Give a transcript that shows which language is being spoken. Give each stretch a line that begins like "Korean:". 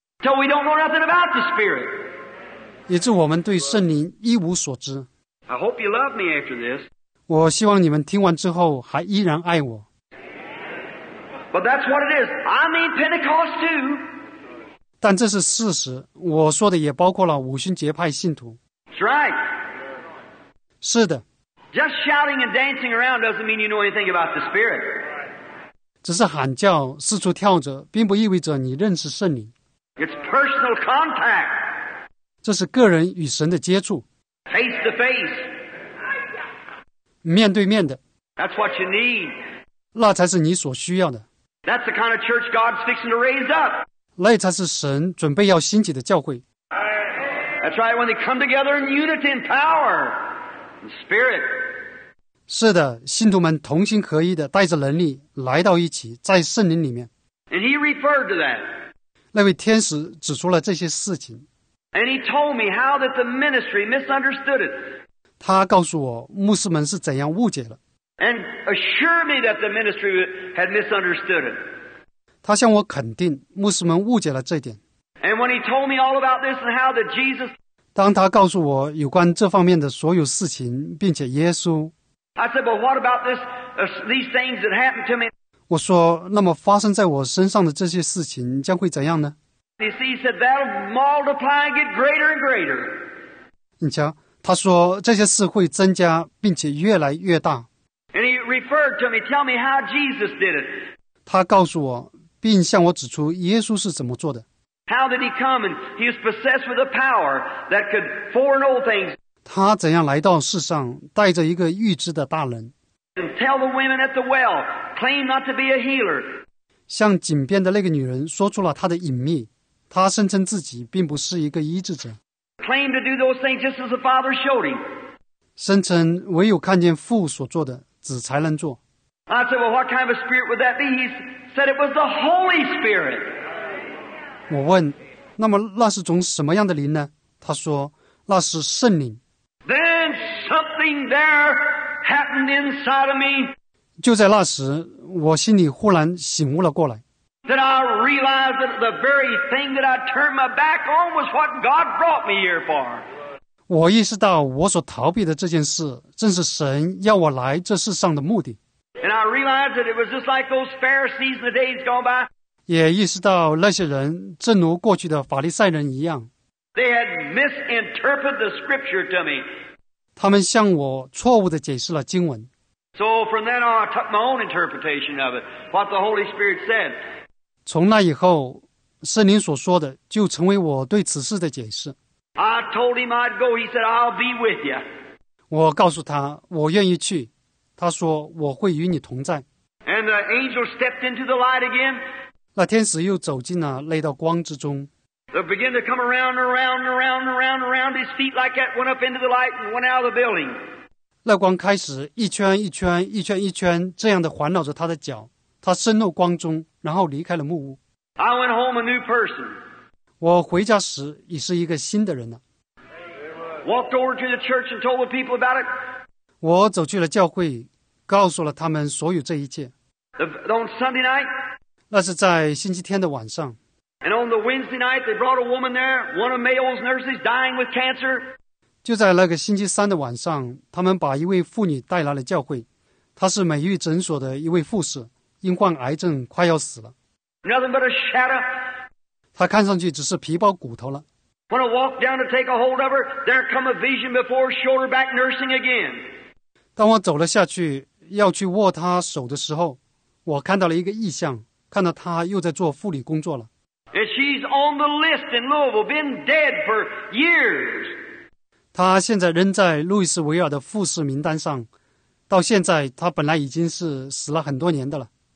English: till we don't know nothing about the Spirit,
Chinese: 以致我们对圣灵一无所知。
English: I hope you love me after this.
Chinese: 我希望你们听完之后还依然爱我。
English: But that's what it is. I mean Pentecost too.
Chinese: 但这是事实，我说的也包括了五旬节派信徒。
English: That's right.
Chinese: 是的。
English: Just shouting and dancing around doesn't mean you know anything about the Spirit.
Chinese: 只是喊叫四处跳着并不意味着你认识圣灵。
English: It's personal contact.
Chinese: 这是个人与神的接触。
English: Face to face.
Chinese: 面对面的。
English: That's what you need.
Chinese: 那才是你所需要的。
English: That's the kind of church God's fixing to raise up.
Chinese: 那才是神准备要兴起的教会。
English: That's right, when they come together in unity and power and spirit.
Chinese: 是的，信徒们同心合一的带着能力来到一起，在圣灵里面。
English: And he referred to that.
Chinese: 那位天使指出了这些事情。
English: And he told me how that the ministry misunderstood it.
Chinese: 他告诉我牧师们是怎样误解了。
English: And assured me that the ministry had misunderstood it.
Chinese: 他向我肯定牧师们误解了这点。
English: And when he told me all about this and how that Jesus,
Chinese: 当他告诉我有关这方面的所有事情，并且耶稣，
English: I said, "But what about this? These things that happened to me?"
Chinese: 我说，那么发生在我身上的这些事情将会怎样呢？
English: He said, "That'll multiply and get greater and greater."
Chinese: 你瞧，他说这些事会增加，并且越来越大。
English: And he referred to me, tell me how Jesus did it.
Chinese: 他告诉我，并向我指出耶稣是怎么做的。
English: How did he come? And he was possessed with a power that could foreknow things.
Chinese: 他怎样来到世上，带着一个预知的大能。
English: And tell the women at the well, claim not to be a healer.
Chinese: 向井边的那个女人说出了她的隐秘，她声称自己并不是一个医治者。
English: Claim to do those things just as the Father showed him.
Chinese: 声称唯有看见父所做的，子才能做。
English: I said, well, what kind of a spirit would that be? He said it was the Holy Spirit.
Chinese: 我问，那么那是种什么样的灵呢？他说，那是圣灵。
English: Then something there happened inside of me.
Chinese: 就在那时，我心里忽然醒悟了过来。
English: That I realized that the very thing that I turned my back on was what God brought me here for.
Chinese: 我意识到我所逃避的这件事，正是神要我来这世上的目的。
English: And I realized that it was just like those Pharisees in the days gone by.
Chinese: 也意识到那些人正如过去的法利赛人一样，
English: They had misinterpreted the scripture to me.
Chinese: 他们向我错误地解释了经文。
English: So from then on I took my own interpretation of it, what the Holy Spirit said.
Chinese: 从那以后，圣灵所说的就成为我对此事的解释。
English: I told him I'd go, he said I'll be with you.
Chinese: 我告诉他我愿意去，他说我会与你同在。
English: And the angel stepped into the light again.
Chinese: 那天使又走进了那道光之中。
English: They began to come around and around and around and around and around his feet like that, went up into the light and went out of the building.
Chinese: 那光开始一圈一圈一圈一圈这样的环绕着他的脚，他深入光中，然后离开了木屋。
English: I went home a new person.
Chinese: 我回家时已是一个新的人了。
English: Walked over to the church and told the people about it.
Chinese: 我走去了教会，告诉了他们所有这一切。
English: On Sunday night.
Chinese: 那是在星期天的晚上。
English: And on the Wednesday night, they brought a woman there, one of Mayo's nurses dying with cancer.
Chinese: 就在那个星期三的晚上，他们把一位妇女带来了教会，她是美玉诊所的一位护士，因患癌症快要死了。
English: Nothing but a shadow.
Chinese: 她看上去只是皮包骨头了。
English: When I walked down to take a hold of her, there come a vision before shoulder back nursing again.
Chinese: 当我走了下去，要去握她手的时候，我看到了一个异象。看到他又在做护理工作了。
English: And she's on the list in Louisville, been dead for years.
Chinese: 他现在仍在路易斯维尔的护士名单上，到现在他本来已经是死了很多年的了。